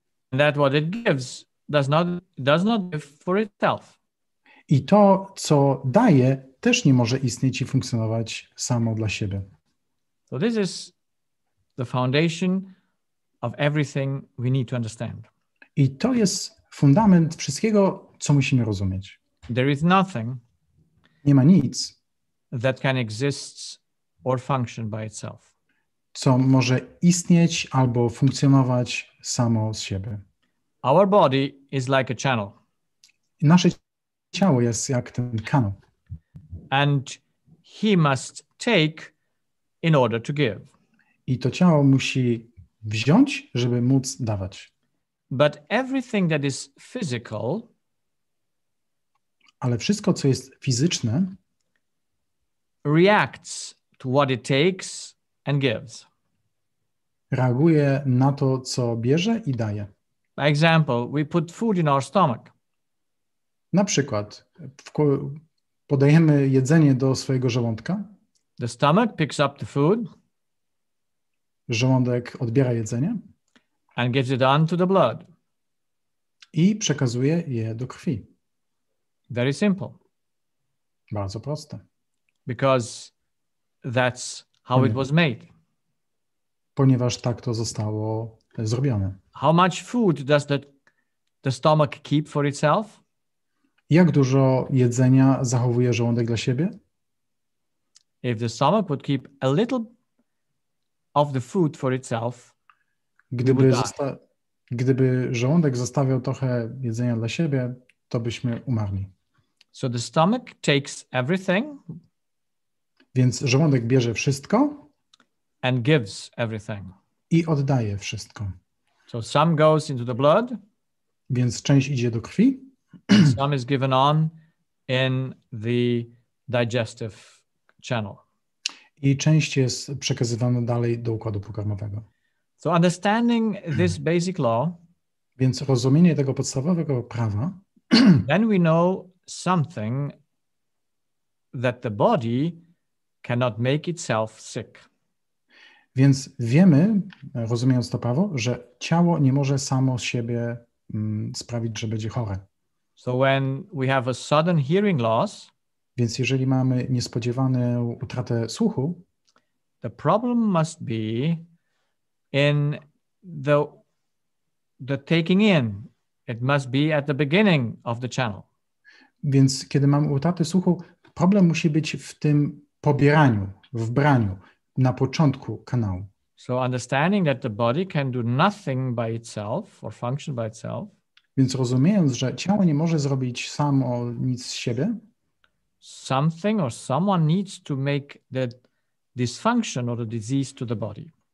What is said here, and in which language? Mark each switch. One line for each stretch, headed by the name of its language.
English: And that what it gives does not give for itself.
Polish: I to, co daje, też nie może istnieć i funkcjonować samo dla siebie.
English: So this is the foundation of everything we need to understand.
Polish: I to jest fundament wszystkiego, co musimy rozumieć.
English: There is nothing.
Polish: Nie ma nic.
English: That can exist or function by itself.
Polish: Co może istnieć albo funkcjonować samo z siebie.
English: Our body is like a channel.
Polish: Nasze ciało jest jak ten kanał.
English: And he must take in order to give.
Polish: I to ciało musi wziąć, żeby móc dawać.
English: But everything that is physical.
Polish: Ale wszystko, co jest fizyczne,
English: reacts to what it takes and gives.
Polish: Reaguje na to, co bierze i daje.
English: By example, we put food in our stomach.
Polish: Na przykład podajemy jedzenie do swojego żołądka.
English: The stomach picks up the food.
Polish: Żołądek odbiera jedzenie.
English: And gives it on to the blood.
Polish: I przekazuje je do krwi.
English: Very simple.
Polish: Bardzo proste.
English: Because that's how it was made.
Polish: Ponieważ tak to zostało zrobione.
English: How much food does the stomach keep for itself?
Polish: Jak dużo jedzenia zachowuje żołądek dla siebie?
English: If the stomach would keep a little of the food for itself,
Polish: Gdyby gdyby żołądek zostawiał trochę jedzenia dla siebie, to byśmy umarli.
English: So the stomach takes everything.
Polish: Więc żołądek bierze wszystko.
English: And gives everything.
Polish: I oddaje wszystko.
English: So some goes into the blood.
Polish: Więc część idzie do krwi.
English: Some is given on in the digestive channel.
Polish: I część jest przekazywana dalej do układu pokarmowego.
English: So understanding this basic law,
Polish: więc rozumienie tego podstawowego prawa,
English: then we know something that the body cannot make itself sick.
Polish: Więc wiemy, rozumiejąc to prawo, że ciało nie może samo siebie sprawić, że będzie chore.
English: So when we have a sudden hearing loss,
Polish: więc jeżeli mamy niespodziewaną utratę słuchu,
English: the problem must be in the taking in. It must be at the beginning of the channel.
Polish: Więc kiedy mamy utratę słuchu, problem musi być w tym pobieraniu, w braniu, na początku kanału.
English: So understanding that the body can do nothing by itself or function by itself.
Polish: Więc rozumiejąc, że ciało nie może zrobić samo nic z siebie.
English: Something or someone needs to make the dysfunction or the disease to the body.